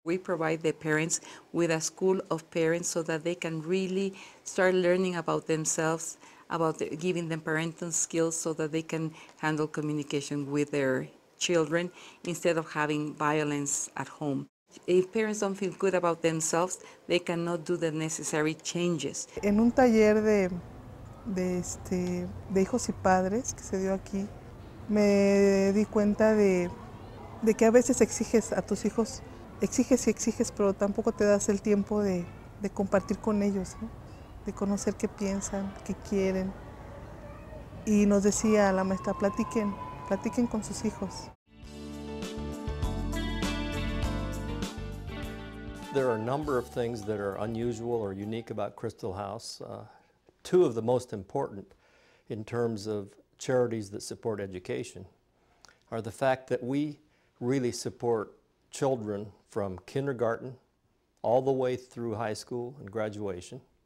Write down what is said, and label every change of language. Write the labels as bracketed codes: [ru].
[en] We provide the parents with a school of parents so that they can really start learning about themselves, about giving them parental skills so that they can handle communication with their children instead of having violence at home. If parents don't feel good about themselves, they cannot do the necessary changes. [es] En un taller de hijos y padres que se dio aquí, me di cuenta de que a veces exiges a tus hijos, exiges y exiges, pero tampoco te das el tiempo de compartir con ellos, ¿no? De conocer qué piensan, qué quieren. Y nos decía la maestra, platiquen con sus hijos. [en] There are a number of things that are unusual or unique about Christel House. Two of the most important in terms of charities that support education are the fact that we really support children from kindergarten all the way through high school and graduation.